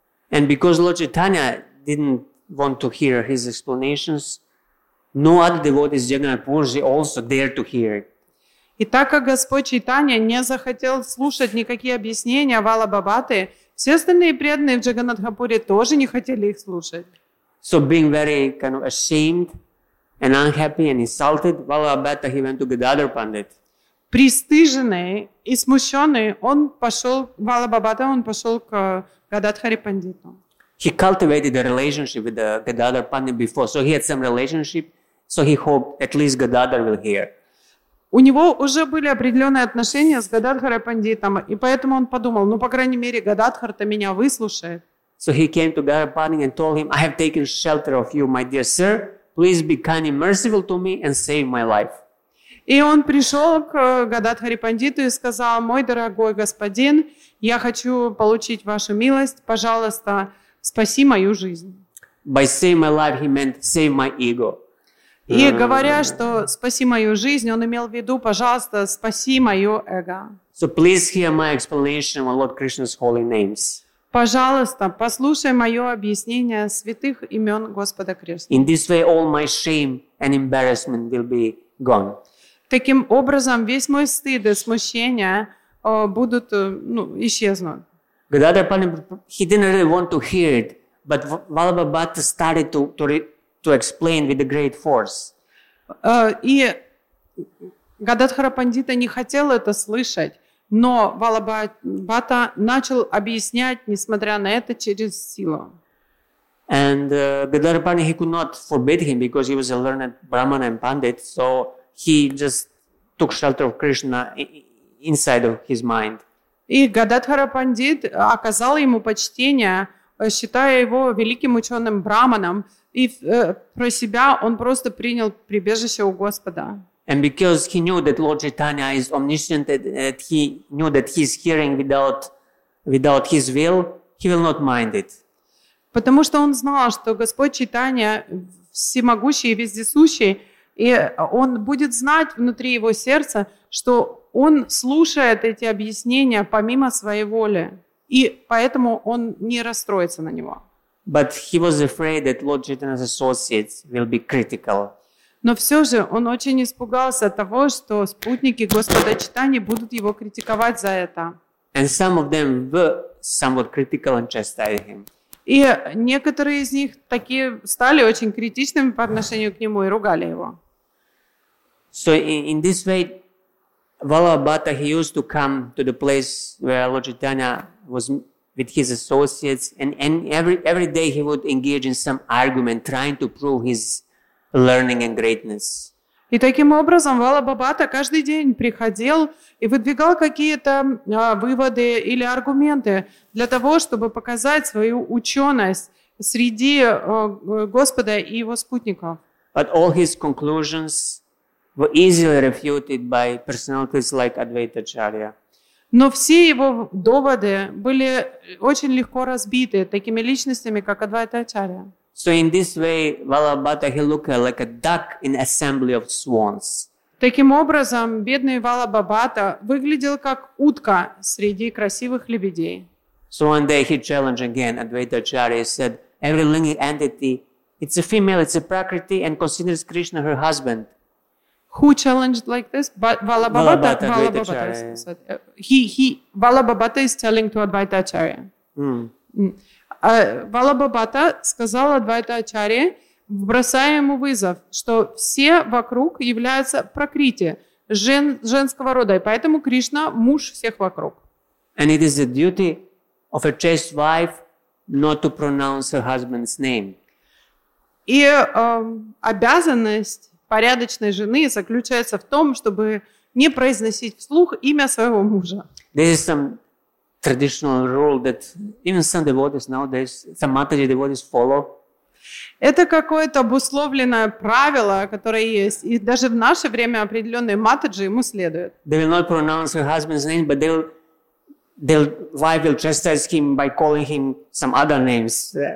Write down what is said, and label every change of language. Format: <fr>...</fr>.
<en>And because Lord Chaitanya didn't want to hear his explanations, no other devotees, Jagannath Purji, also dared to hear it.</en> <ru>И так как Господь Чайтанья не захотел слушать никакие объяснения Валабхабхаты, все остальные преданные в Джаганатхапуре тоже не хотели их слушать.</ru> <en>So being very kind of ashamed and unhappy and insulted, Valabhata he went to Gadadhar Pandit.</en> <ru>Пристыженный и смущенный, он пошел Валабхабхата, он пошел к Гададхари Пандиту.</ru> <en>He cultivated a relationship with the Gadadhar Pandit before, so he had some relationship, so he hoped at least Gadadhar will hear.</en> <ru>У него уже были определенные отношения с Гададхарой Пандитом, и поэтому он подумал, ну, по крайней мере, Гададхар-то меня выслушает.</ru> <en>So he came to Gadadhar and told him, I have taken shelter of you, my dear sir. Please be kind and merciful to me and save my life.</en> <ru>И он пришел к Гададхаре Пандиту и сказал, мой дорогой господин, я хочу получить вашу милость, пожалуйста, спаси мою жизнь.</ru> <en>By save my life, he meant save my ego.</en> <ru>И говоря, что спаси мою жизнь, он имел в виду, пожалуйста, спаси мое эго.</ru> <en>So please hear my explanation of Lord Krishna's holy names.</en> <ru>Пожалуйста, послушай мое объяснение святых имен Господа Кришны.</ru> <en>In this way, all my shame and embarrassment will be gone.</en> <ru>Таким образом, весь мой стыд и смущение будут, ну, исчезнуть.</ru> <en>Gadadhar Pandit, he didn't really want to hear it, but Vallabhabhatta started to explain with a great force.</en> <ru>И Гададхара Пандита не хотел это слышать, но Валлабхабхатта начал объяснять, несмотря на это, через силу.</ru> <en>And Gadadhara Pandit, he could not forbid him because he was a learned Brahmana and Pandit, so he just took shelter of Krishna inside of his mind.</en> <ru>И Гададхара Пандит оказал ему почтение, считая его великим ученым Брахманом, и про себя он просто принял прибежище у Господа.</ru> <en>And because he knew that Lord Chaitanya is omniscient, that he knew that he's hearing without his will, he will not mind it.</en> <ru>Потому что он знал, что Господь Чайтанья всемогущий и вездесущий, и он будет знать внутри его сердца, что он слушает эти объяснения помимо своей воли, и поэтому он не расстроится на него.</ru> <en>But he was afraid that Lord Chaitanya's associates will be critical.</en> <ru>Но все же он очень испугался того, что спутники Господа Чайтаньи будут его критиковать за это.</ru> <en>And some of them were somewhat critical and chastised him.</en> <ru>И некоторые из них такие стали очень критичными по отношению к нему и ругали его.</ru> <en>So in this way, Vallabhabhatta, he used to come to the place where Lord Chaitanya was with his associates, and every day he would engage in some argument, trying to prove his learning and greatness.</en> <ru>И таким образом Валлабхабхатта каждый день приходил и выдвигал какие-то выводы или аргументы для того, чтобы показать свою ученость среди Господа и его спутников.</ru> <en>But all his conclusions were easily refuted by personalities like Advaita Acharya.</en> <ru>Но все его доводы были очень легко разбиты такими личностями, как Адвайта Ачарья.</ru> <en>So in this way, Vallabhabhatta, he looked like a duck in assembly of swans.</en> <ru>Таким образом, бедный Валлабхабхатта выглядел как утка среди красивых лебедей.</ru> <en>So one day he challenged again Advaita Acharya, said, every living entity, it's a female, it's a prakriti, and considers Krishna her husband. Who challenged like this? Valabhabhata. Valabhabhata is telling to Advaita Acharya.</en> <ru>Valabhabhata сказал Advaita Acharya, бросая ему вызов, что все вокруг являются пракрити, женского рода, и поэтому Кришна муж всех вокруг.</ru> <en>And it is the duty of a chaste wife not to pronounce her husband's name.</en> <ru>И обязанность порядочной жены заключается в том, чтобы не произносить вслух имя своего мужа.</ru> <en>This is some traditional rule that even some devotees nowadays, some Mataji devotees follow.</en> <ru>Это какое-то обусловленное правило, которое есть, и даже в наше время определенные Матаджи ему следуют.</ru> <en>They will not pronounce her husband's name, but their wife will chastise him by calling him some other names.</en>